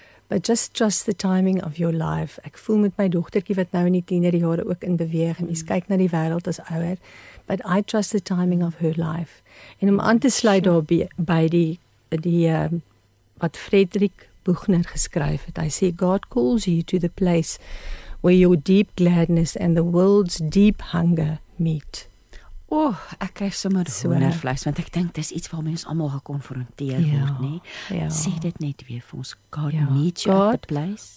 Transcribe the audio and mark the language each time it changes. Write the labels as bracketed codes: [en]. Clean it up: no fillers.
[en] But just trust the timing of your life. [af] Ek voel met my dogtertjie wat nou in die tienerjare ook in beweeg en is kyk na die wêreld as ouer. [en] But I trust the timing of her life. [af] En om aan te sluit daar by die wat Frederik Buchner geskryf het. Hy sê, [en] God calls you to the place where your deep gladness and the world's deep hunger meet. [af] Oh, ek kry sommer hoendervleis, want ek dink dis iets waarmee ons almal gekonfronteer word, nie? Ja. Sê dit net weer vir ons. [en] God meets you at the place.